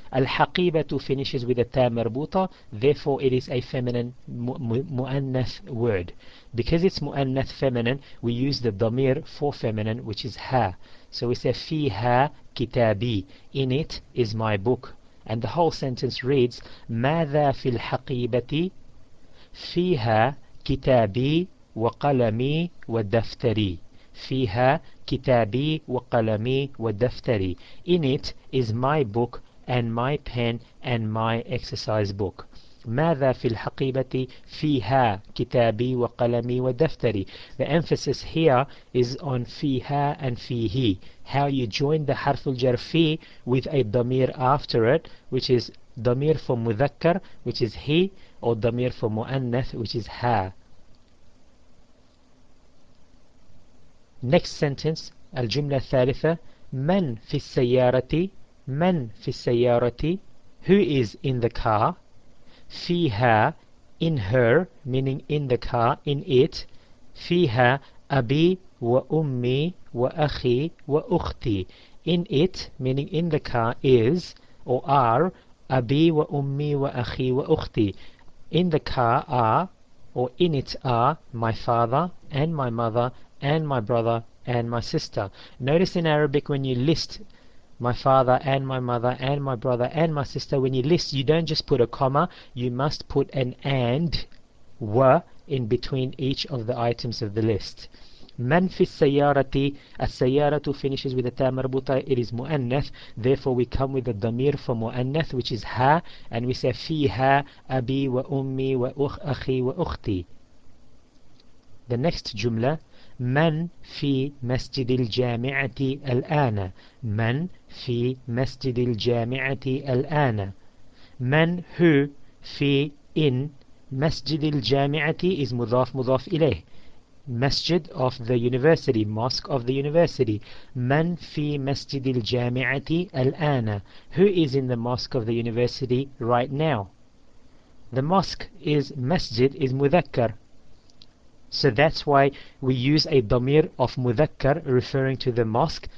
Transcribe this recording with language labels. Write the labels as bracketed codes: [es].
[en] الحقيبة finishes with a تاء مربوطة, therefore it is a feminine مؤنث word. Because it's مؤنث feminine, we use the ضمير for feminine, which is ها. So we say [ar] فيها كتابي, [en] in it is my book. And the whole sentence reads [ar] ماذا في الحقيبة فيها كتابي وقلمي ودفتري. فيها كتابي وقلمي ودفتري. [en] In it is my book and my pen and my exercise book. [ar] ماذا في الحقيبة فيها كتابي وقلمي ودفتري. [en] The emphasis here is on فيها and فيه. How you join the حرف الجر في with a ضمير after it, which is ضمير for مذكر, which is he, or ضمير for مؤنث, which is ها. Next sentence, الجملة الثالثة. [ar] من في السيارة? من في السيارة? [en] Who is in the car? فيها, in her, meaning in the car, in it. [ar] فيها أبي وأمي وأخي وأختي. [en] In it, meaning in the car, is or are [ar] أبي وأمي وأخي وأختي. [en] In the car are, or in it are, my father and my mother and my brother and my sister. Notice in Arabic, when you list my father and my mother and my brother and my sister, when you list, you don't just put a comma, you must put an and, wa, in between each of the items of the list. [ar] Man fi sayyarati, [en] as-sayyaratu finishes with a ta marbuta, it is mu'annath, therefore we come with the damir for mu'annath, which is ha, and we say [ar] fiha abi wa ummi wa akhi wa ukhti. [en] The next jumla, [ar] من في مسجد الجامعة الآن. من في مسجد الجامعة الآن. من هو في إن مسجد الجامعة is مضاف مضاف إليه. [en] Masjid of the university, mosque of the university. [ar] من في مسجد الجامعة الآن. [en] Who is in the mosque of the university right now? The mosque is masjid, is مذكر. So that's why we use a damir of mudhakkar referring to the mosque.